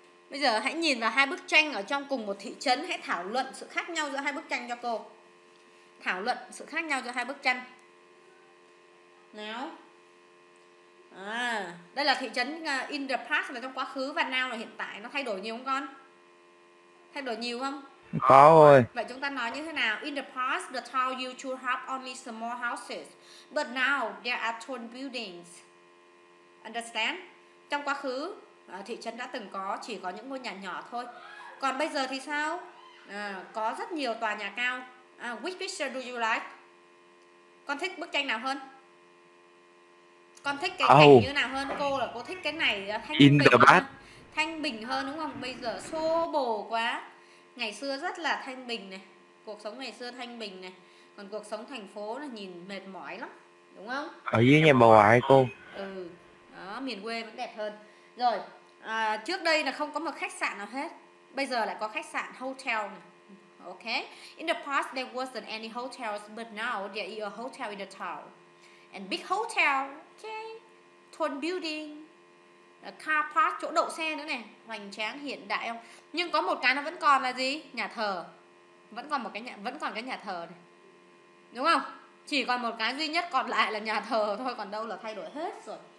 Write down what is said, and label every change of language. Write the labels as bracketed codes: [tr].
[vi] Bây giờ hãy nhìn vào hai bức tranh ở trong cùng một thị trấn. Hãy thảo luận sự khác nhau giữa hai bức tranh cho cô. Thảo luận sự khác nhau giữa hai bức tranh. Nào. À, đây là thị trấn [en] in the past [vi] là trong quá khứ và now là hiện tại. Nó thay đổi nhiều không con? Thay đổi nhiều không? Có Vậy chúng ta nói như thế nào? [en] In the past, the town used to have only small houses, but now there are tall buildings. Understand? [vi] Trong quá khứ, thị trấn đã từng có chỉ có những ngôi nhà nhỏ thôi. Còn bây giờ thì sao? À, có rất nhiều tòa nhà cao. À, [en] which picture do you like? [vi] Con thích bức tranh nào hơn? Con thích cái cảnh Oh. như nào hơn? Cô là cô thích cái này thanh [en] In the [vi] bình bath. hơn. Thanh bình hơn đúng không? Bây giờ xô bồ quá. Ngày xưa rất là thanh bình này. Cuộc sống ngày xưa thanh bình này. Còn cuộc sống thành phố là nhìn mệt mỏi lắm. Đúng không? Ở dưới nhà bà ngoại cô. Ừ. Đó, miền quê vẫn đẹp hơn. Rồi. À, trước đây là không có một khách sạn nào hết. Bây giờ lại có khách sạn hotel này. Okay. [en] In the past there wasn't any hotels, but now there is a hotel in the town. And big hotel, okay. Tall building. [vi] Car park, chỗ đậu xe nữa này, hoành tráng hiện đại không? Nhưng có một cái nó vẫn còn là gì? Nhà thờ. Vẫn còn cái nhà thờ này. Đúng không? Chỉ còn một cái duy nhất còn lại là nhà thờ thôi, còn đâu là thay đổi hết rồi.